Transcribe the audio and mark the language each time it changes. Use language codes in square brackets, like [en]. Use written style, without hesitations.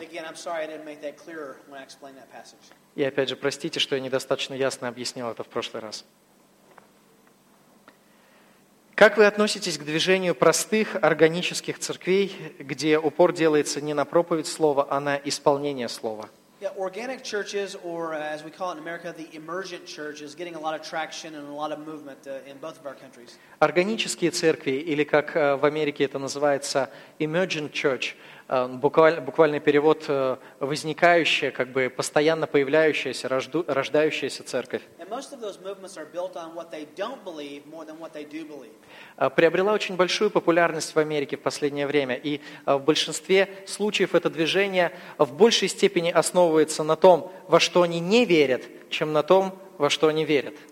[ru] И опять же, простите, что я недостаточно ясно объяснил это в прошлый раз. Как вы относитесь к движению простых органических церквей, где упор делается не на проповедь слова, а на исполнение слова? [en] Yeah, organic churches, or as we call it in America, the emergent church, is getting a lot of traction and a lot of movement in both of our countries. [ru] Органические церкви, или как в Америке это называется, emergent church, буквальный перевод, возникающая, как бы постоянно появляющаяся, рождающаяся церковь. [en] And most of those movements are built on what they don't believe more than what they do believe. [ru] Приобрела очень большую популярность в Америке в последнее время, и в большинстве случаев это движение в большей степени основывается на том, во что они не верят, чем на том, во что они верят.